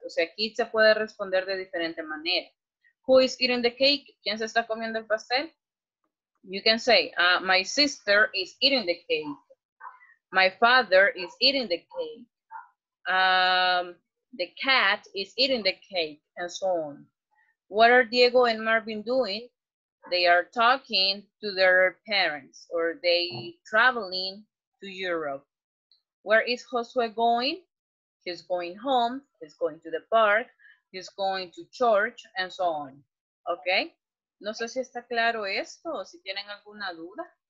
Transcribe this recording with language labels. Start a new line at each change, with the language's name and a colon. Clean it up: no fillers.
Spanish: O sea, aquí se puede responder de diferente manera.
English: Who is eating the cake?
Spanish: ¿Quién se está comiendo el pastel?
English: You can say, my sister is eating the cake. My father is eating the cake. The cat is eating the cake, and so on. What are Diego and Marvin doing? They are talking to their parents, or they traveling to Europe. Where is Josue going? He's going home, he's going to the park, he's going to church, and so on. Okay?
Spanish: No sé si está claro esto, o si tienen alguna duda.